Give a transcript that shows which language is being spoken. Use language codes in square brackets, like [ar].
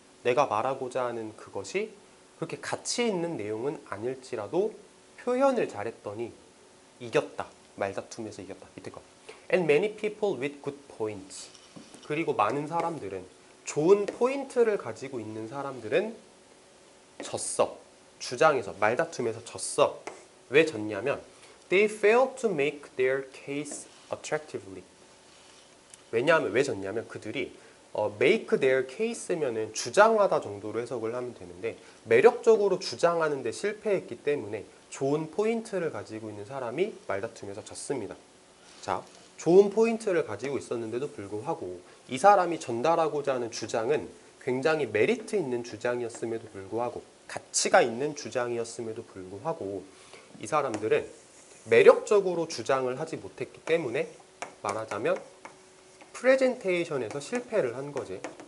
[ko] 내가 말하고자 하는 그것이 그렇게 가치 있는 내용은 아닐지라도 표현을 잘했더니 이겼다. 말다툼에서 이겼다. 밑에 거. [en] And many people with good points. [ko] 그리고 많은 사람들은 좋은 포인트를 가지고 있는 사람들은 졌어. 주장에서 말다툼에서 졌어. 왜 졌냐면 [en] They failed to make their case attractively. [ko] 왜냐하면 왜 졌냐면 그들이 [en] make their case [ko] 면은 주장하다 정도로 해석을 하면 되는데 매력적으로 주장하는 데 실패했기 때문에 좋은 포인트를 가지고 있는 사람이 말다툼에서 졌습니다. 자, 좋은 포인트를 가지고 있었는데도 불구하고 이 사람이 전달하고자 하는 주장은 굉장히 메리트 있는 주장이었음에도 불구하고 가치가 있는 주장이었음에도 불구하고 이 사람들은 매력적으로 주장을 하지 못했기 때문에 말하자면 프레젠테이션에서 실패를 한 거지.